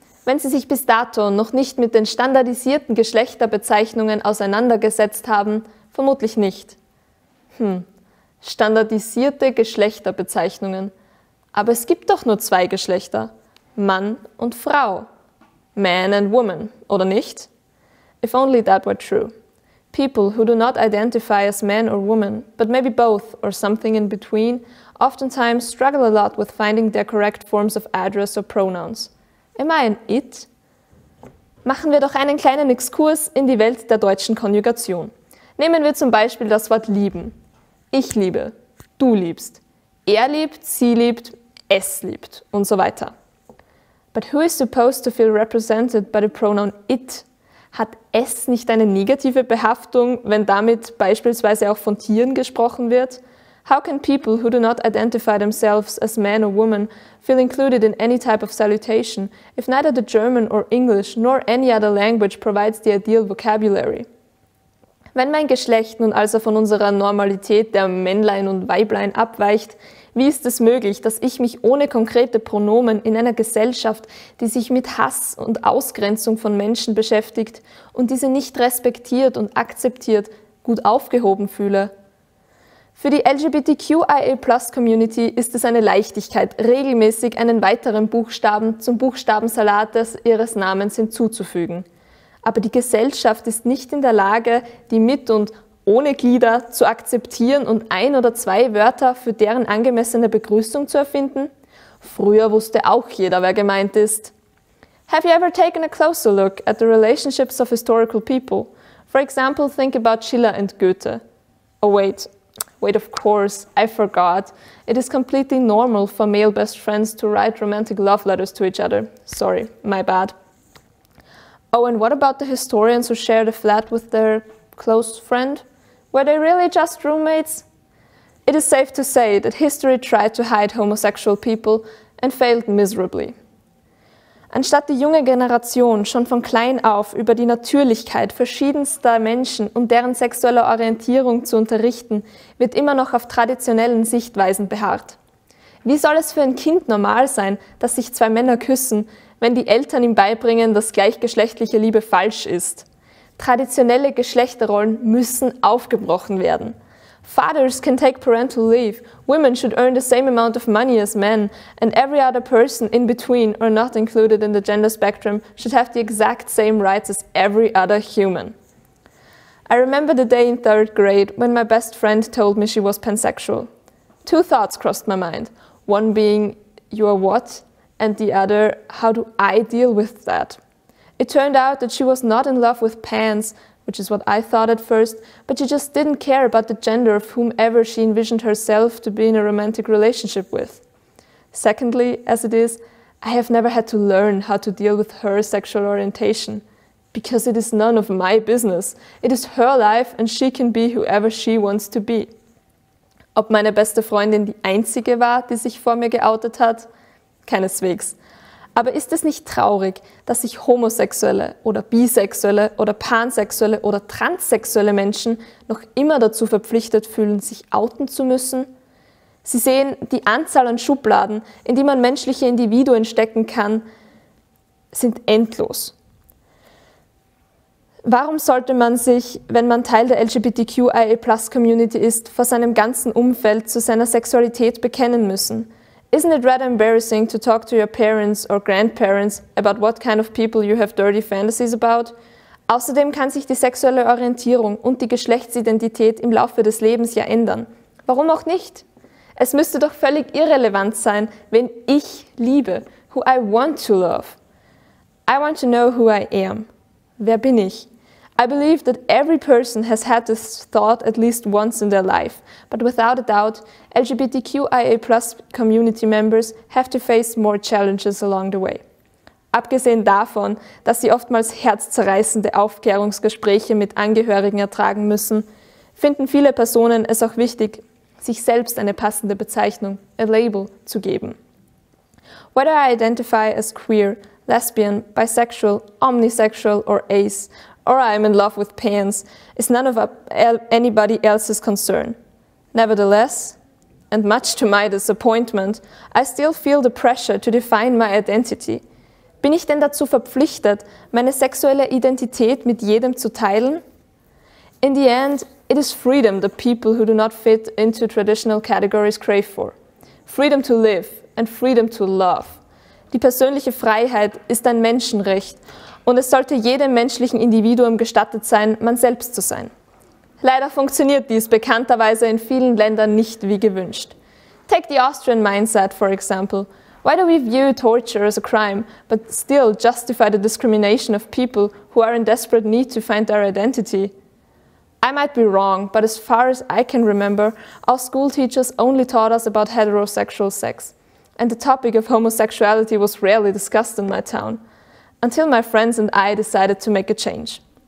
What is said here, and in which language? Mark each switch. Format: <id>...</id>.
<de>Wenn Sie sich bis dato noch nicht mit den standardisierten Geschlechterbezeichnungen auseinandergesetzt haben, vermutlich nicht. Standardisierte Geschlechterbezeichnungen. Aber es gibt doch nur zwei Geschlechter, Mann und Frau.</de> <en>Man and woman,</en> <de>oder nicht?</de> <en>If only that were true. People who do not identify as man or woman, but maybe both or something in between, oftentimes struggle a lot with finding their correct forms of address or pronouns. Am I an it?</en> <de>Machen wir doch einen kleinen Exkurs in die Welt der deutschen Konjugation. Nehmen wir zum Beispiel das Wort lieben. Ich liebe, du liebst, er liebt, sie liebt, es liebt und so weiter.</de> <en>But who is supposed to feel represented by the pronoun it?</en> <de>Hat es nicht eine negative Behaftung, wenn damit beispielsweise auch von Tieren gesprochen wird?</de> <en>How can people who do not identify themselves as man or woman feel included in any type of salutation if neither the German or English nor any other language provides the ideal vocabulary?</en> <de>Wenn mein Geschlecht nun also von unserer Normalität der Männlein und Weiblein abweicht, wie ist es möglich, dass ich mich ohne konkrete Pronomen in einer Gesellschaft, die sich mit Hass und Ausgrenzung von Menschen beschäftigt und diese nicht respektiert und akzeptiert, gut aufgehoben fühle? Für die LGBTQIA+-Community ist es eine Leichtigkeit, regelmäßig einen weiteren Buchstaben zum Buchstabensalat ihres Namens hinzuzufügen. Aber die Gesellschaft ist nicht in der Lage, die mit und ohne Glieder zu akzeptieren und ein oder zwei Wörter für deren angemessene Begrüßung zu erfinden? Früher wusste auch jeder, wer gemeint ist.</de> <en>Have you ever taken a closer look at the relationships of historical people? For example, think about Schiller and Goethe. Oh wait. Wait, of course, I forgot. It is completely normal for male best friends to write romantic love letters to each other. Sorry, my bad. Oh, and what about the historians who shared a flat with their close friend? Were they really just roommates? It is safe to say that history tried to hide homosexual people and failed miserably.</en> <de>Anstatt die junge Generation schon von klein auf über die Natürlichkeit verschiedenster Menschen und deren sexuelle Orientierung zu unterrichten, wird immer noch auf traditionellen Sichtweisen beharrt. Wie soll es für ein Kind normal sein, dass sich zwei Männer küssen, wenn die Eltern ihm beibringen, dass gleichgeschlechtliche Liebe falsch ist? Traditionelle Geschlechterrollen müssen aufgebrochen werden.</de> <en>Fathers can take parental leave, women should earn the same amount of money as men, and every other person in between or not included in the gender spectrum should have the exact same rights as every other human. I remember the day in third grade when my best friend told me she was pansexual. Two thoughts crossed my mind, one being, you are what? And the other, how do I deal with that? It turned out that she was not in love with pans, which is what I thought at first, but she just didn't care about the gender of whomever she envisioned herself to be in a romantic relationship with. Secondly, as it is, I have never had to learn how to deal with her sexual orientation, because it is none of my business. It is her life and she can be whoever she wants to be.</en> <de>Ob meine beste Freundin die einzige war, die sich vor mir geoutet hat? Keineswegs. Aber ist es nicht traurig, dass sich Homosexuelle oder Bisexuelle oder Pansexuelle oder Transsexuelle Menschen noch immer dazu verpflichtet fühlen, sich outen zu müssen? Sie sehen die Anzahl an Schubladen, in die man menschliche Individuen stecken kann, sind endlos. Warum sollte man sich, wenn man Teil der LGBTQIA+-Community ist, vor seinem ganzen Umfeld zu seiner Sexualität bekennen müssen?</de> <en>Isn't it rather embarrassing to talk to your parents or grandparents about what kind of people you have dirty fantasies about?</en> <de>Außerdem kann sich die sexuelle Orientierung und die Geschlechtsidentität im Laufe des Lebens ja ändern. Warum auch nicht? Es müsste doch völlig irrelevant sein, wenn ich liebe,</de> <en>who I want to love. I want to know who I am.</en> <de>Wer bin ich?</de> <en>I believe that every person has had this thought at least once in their life, but without a doubt, LGBTQIA+ community members have to face more challenges along the way.</en> <de>Abgesehen davon, dass sie oftmals herzzerreißende Aufklärungsgespräche mit Angehörigen ertragen müssen, finden viele Personen es auch wichtig, sich selbst eine passende Bezeichnung,</de> <en>a label,</en> <de>zu geben.</de> <en>Whether I identify as queer, lesbian, bisexual, omnisexual or ace, or I'm in love with pants, is none of anybody else's concern. Nevertheless, and much to my disappointment, I still feel the pressure to define my identity.</en> <de>Bin ich denn dazu verpflichtet, meine sexuelle Identität mit jedem zu teilen?</de> <en>In the end, it is freedom that people who do not fit into traditional categories crave for. Freedom to live and freedom to love.</en> <de>Die persönliche Freiheit ist ein Menschenrecht und es sollte jedem menschlichen Individuum gestattet sein, man selbst zu sein. Leider funktioniert dies bekannterweise in vielen Ländern nicht wie gewünscht.</de> <en>Take the Austrian mindset for example. Why do we view torture as a crime, but still justify the discrimination of people who are in desperate need to find their identity? I might be wrong, but as far as I can remember, our school teachers only taught us about heterosexual sex, and the topic of homosexuality was rarely discussed in my town, until my friends and I decided to make a change.</en>